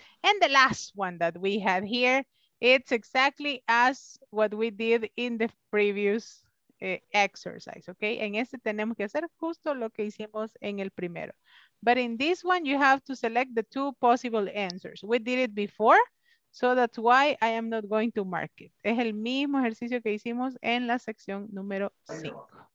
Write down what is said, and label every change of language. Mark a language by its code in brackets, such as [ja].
[en] And the last one that we have here, it's exactly as what we did in the previous exercise, okay? [es] En este tenemos que hacer justo lo que hicimos en el primero. [en] But in this one, you have to select the two possible answers. We did it before. So that's why I am not going to mark it. [es] Es el mismo ejercicio que hicimos en la sección número 5.